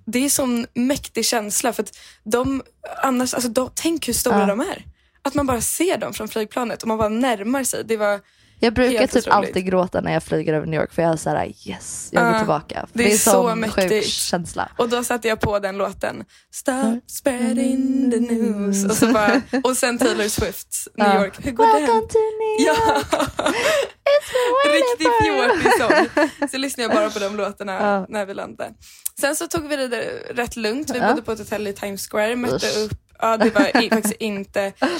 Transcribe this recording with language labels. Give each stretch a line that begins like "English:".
Swedish: Det är en sån mäktig känsla. För att de annars... Alltså, tänk hur stora de är. Att man bara ser dem från flygplanet. Och man bara närmar sig. Det var... Jag brukar helt typ otroligt. Alltid gråta när jag flyger över New York. För jag är såhär, yes, jag går tillbaka. Det är så mäktigt. Sjuk känsla. Och då satte jag på den låten.
English: Start spreading the news.
Swedish: Och, så bara, och sen Taylor Swift's New York. Hur går
English: Welcome
Swedish: det?
English: Welcome to New York. It's
Swedish: riktigt fjortig sång. Så lyssnar jag bara på de låtarna när vi landade. Sen så tog vi det där rätt lugnt. Vi bodde på ett hotell i Times Square. Mötte upp. Ja, det var faktiskt inte...